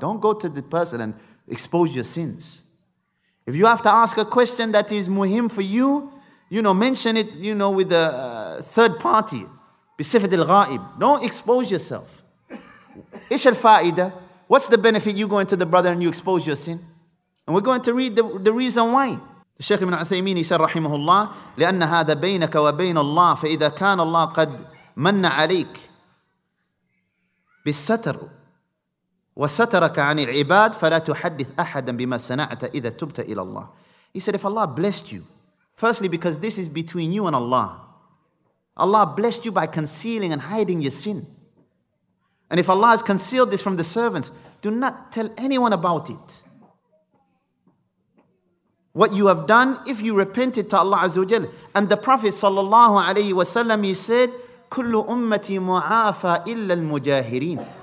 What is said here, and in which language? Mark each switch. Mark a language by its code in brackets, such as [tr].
[en] Don't go to the person and expose your sins. If you have to ask a question that is muhim for you, you know, mention it, you know, with a third party. [ar] بصفة الغائب. [en] Don't expose yourself. [ar] إيش الفائدة? [en] What's the benefit? You go into the brother and you expose your sin. And we're going to read the reason why. [ar] الشيخ ابن عثيمين يسأل رحمه الله لأن هذا بينك وبين الله فإذا كان الله قد من عليك بالستر وسترك عن العباد فلا تحدث أحدا بما صنعت إذا تبت إلى الله. [en] He said, if Allah blessed you, firstly because this is between you and Allah, Allah blessed you by concealing and hiding your sin. And if Allah has concealed this from the servants, do not tell anyone about it. What you have done, if you repented to Allah Azza wa Jalla. And the Prophet sallallahu alayhi wa sallam, he said, [ar] kullu ummati mu'afa illa al-mujahirin.